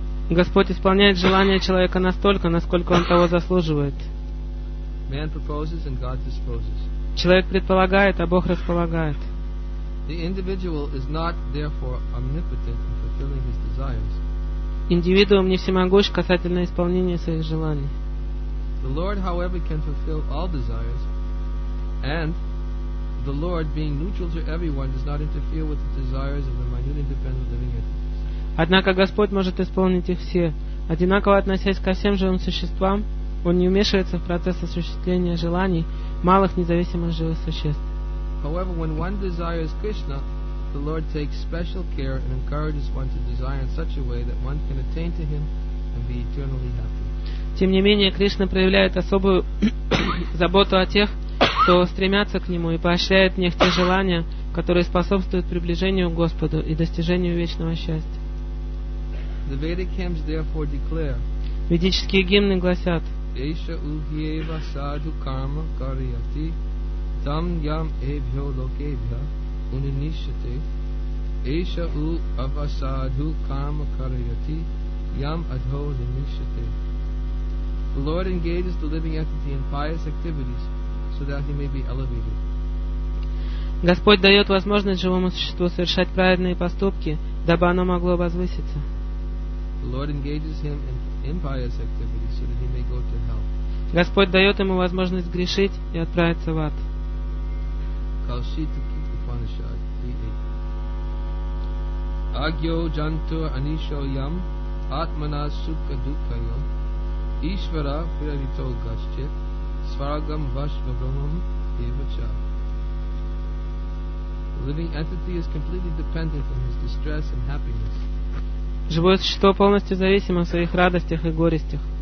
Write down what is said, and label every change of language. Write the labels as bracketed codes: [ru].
[ru] Господь исполняет желание человека настолько, насколько он того заслуживает. [en] Man proposes and God disposes. [ru] Человек предполагает, а Бог располагает. [en] The individual is not therefore omnipotent in fulfilling his desires. [ru] Индивидуум не всемогущ касательно исполнения своих желаний. [en] The Lord, however, can fulfill all desires, and the Lord, being neutral to everyone, does not interfere with the desires of the minute independent living entities. [ru] Однако Господь может исполнить их все, одинаково относясь ко всем живым существам. Он не вмешивается в процесс осуществления желаний малых независимых живых существ. [en] However, when one desires Krishna, the Lord takes special care and encourages one to desire in such a way that one can attain to him and be eternally happy. [ru] Тем не менее, Кришна проявляет особую заботу о тех, кто стремятся к нему, и поощряет в них те желания, которые способствуют приближению к Господу и достижению вечного счастья. [en] The Vedic hymns therefore declare. [ru] Ведические гимны гласят: [sa] Esha uhyeva sadhu karma karyati tam yam ebhyo lokebhya uninishyate. Esha u avasadhu karma karyati yam adho uninishyate. [en] The Lord engages the living entity in pious activities so that he may be elevated. [ru] Господь дает возможность живому существу совершать праведные поступки, дабы оно могло возвыситься. [en] The Lord engages him in impious activities so that he may go to hell. [ru] Господь дает ему возможность грешить и отправиться в ад. [en] Kaushitika Upanishad 3.8. [sa] Agyo jantur anisho yam atmana sukha dukhayo ishvara prarito gaschit svargam vashva brahmam devacha. [en] The living entity is completely dependent on his distress and happiness. [ru] Живое существо полностью зависимо в своих радостях и горестях.